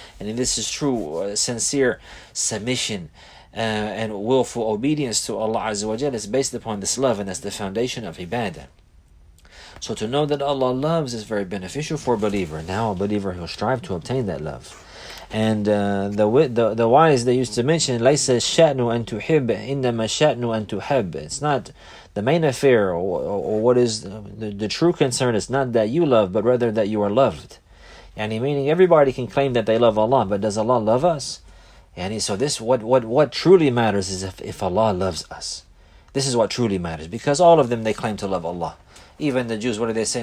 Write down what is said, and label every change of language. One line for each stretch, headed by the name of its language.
English: And this is true, sincere submission and willful obedience to Allah azza wa jal is based upon this love, and that's the foundation of ibadah. So to know that Allah loves is very beneficial for a believer. Now a believer who strive to obtain that love. And the wise, they used to mention,
Arabic: لَيْسَ الشَّأْنُ أَن تُحِبْ إِنَّمَا الشَّأْنُ أَن تُحَبْ.
English: It's not the main affair, or what is the true concern. It's not that you love, but rather that you are loved. And meaning everybody can claim that they love Allah, but does Allah love us? And so this, what truly matters is if Allah loves us. This is what truly matters, because all of them, they claim to love Allah. Even the Jews, what do they say?